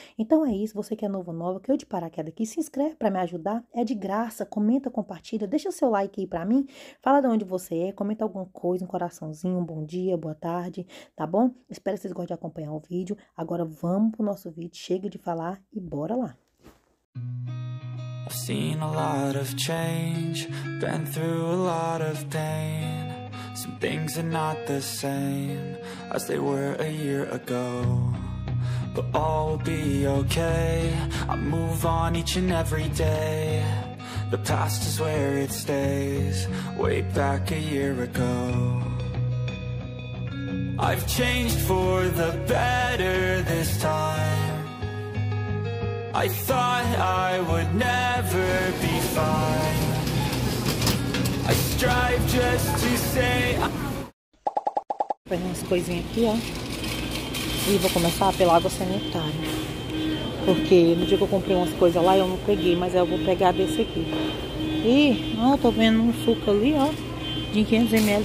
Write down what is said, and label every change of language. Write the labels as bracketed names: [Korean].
[Portuguese] Então é isso, você que é novo nova, que eu de paraquedas aqui, se inscreve para me ajudar, é de graça, comenta, compartilha, deixa o seu like aí para mim, fala de onde você é, comenta alguma coisa, um coraçãozinho, um bom dia, boa tarde, tá bom? Espero que vocês gostem de acompanhar o vídeo. Agora vamos pro nosso vídeo, chega de falar e bora lá. [English] I've seen a lot of change, been through a lot of pain. Some things are not the same as they were a year ago. But all will be okay, I move on each and every day. The past is where it stays, way back a year ago. I've changed for the better this time. I thought I would never be fine. I strive just to say I... [Portuguese] Pegar umas coisinhas aqui, ó. E vou começar pela água sanitária. Porque no dia que eu comprei umas coisas lá, eu não peguei, mas eu vou pegar desse aqui. Ih, ó, tô vendo um suco ali, ó. De 500 ml.